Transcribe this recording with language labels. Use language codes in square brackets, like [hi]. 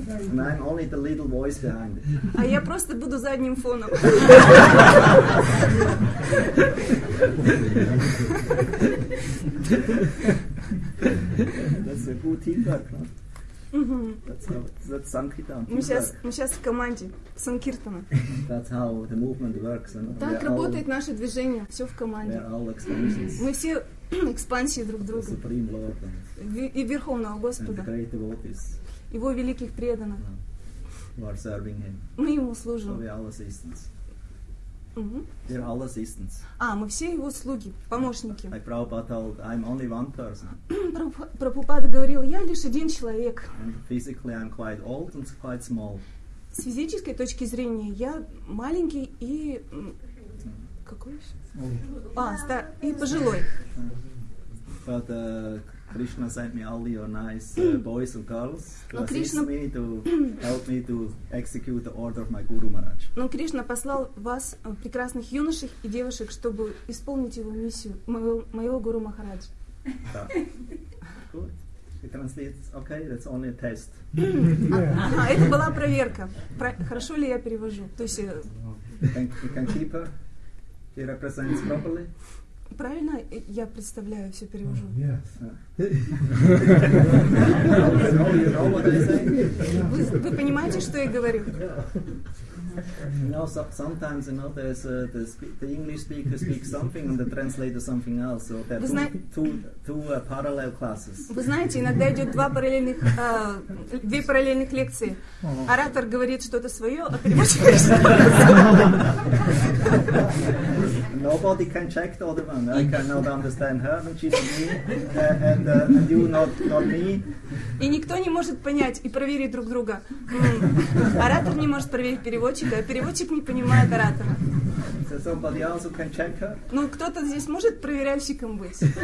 [en] And I'm only the little voice behind it. [ru] А я просто буду задним фоном. [en] That's a good teamwork, huh? That's Sankirtan. [ru] Мы сейчас в команде Санкиртана. [en] That's how the movement works. [ru] Так работает наше движение. Все в команде. Мы все экспансии друг друга. [en] Supreme Lord. [ru] И Верховного Господа. [en] And the great devotees. [ru] Его великих преданных. [en] Who are serving him. [ru] Мы ему служим. [en] So we are all assistants. They're all assistants. [ru] А, мы все его слуги, помощники. [en] Like Prabhupada told, I'm only one person. [ru] Прабхупада говорил, я лишь один человек. [en] And physically I'm quite old and quite small. [ru] С физической точки зрения я маленький и... Какой еще? А, и пожилой. [en] But Krishna sent me all your nice boys and girls to assist me, to help me to execute the order of my Guru Maharaj. [ru] Но Кришна послал вас прекрасных юношей и девушек, чтобы исполнить его миссию моего Гуру Махарадж. [en] Да. Good. It translates. Okay, that's only a test. [ru] Это была проверка. Хорошо ли я перевожу? То есть. [en] You can keep her. She represents properly. [ru] Правильно я представляю, все перевожу? [en] Yes. [ru] Вы понимаете, что я говорю? [en] You know, sometimes, you know, there's the English speaker speaks something and the translator something else, so there are two parallel classes. [ru] Вы знаете, иногда идет две параллельных лекции. Оратор говорит что-то свое, а переводчик [en] что-то. Nobody can check the other one. I cannot understand her, and she's me, and you not me. [ru] И никто не может понять и проверить друг друга. Оратор не может проверить переводчик. Да, переводчик не понимает оратора. [en] So [ru] ну, кто-то здесь может проверяльщиком быть?